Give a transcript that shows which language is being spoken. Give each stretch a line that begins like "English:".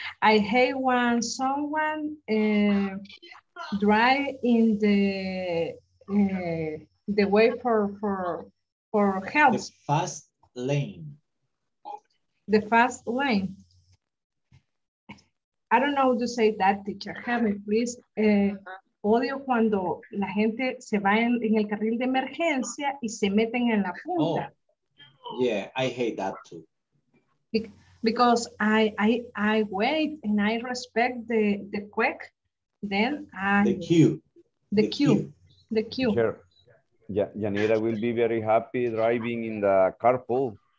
English: I hate when someone drive in the way for help. The fast lane. The fast lane. I don't know how to say that, teacher. Help me, please.
Spanish: Odio cuando la gente se va en el carril de emergencia y se meten en la punta.
English: Oh, yeah, I hate that too. Because I wait and I respect the quick. Then I... The queue. Sure. Yeah, Janira will be very happy driving in the carpool.